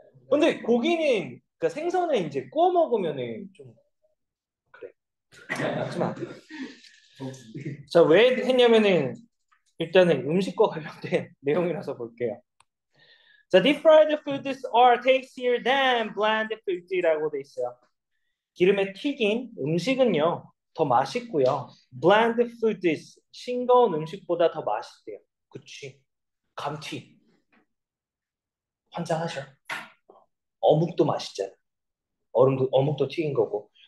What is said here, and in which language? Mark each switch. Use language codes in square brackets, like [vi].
[ko] 근데 고기는, 그 생선은 이제 구워 먹으면은 좀, 하지만. 자, 왜 했냐면은, 일단은 음식과 관련된 내용이라서 볼게요. [en] The deep fried foods are tastier than bland foods [ko] 라고 돼 있어요. 기름에 튀긴 음식은요 더 맛있고요. [en] Bland foods [ko] 싱거운 음식보다 더 맛있대요. 그치? 감튀 환장하셔. 어묵도 맛있잖아. 얼음도 어묵도 튀긴 거고.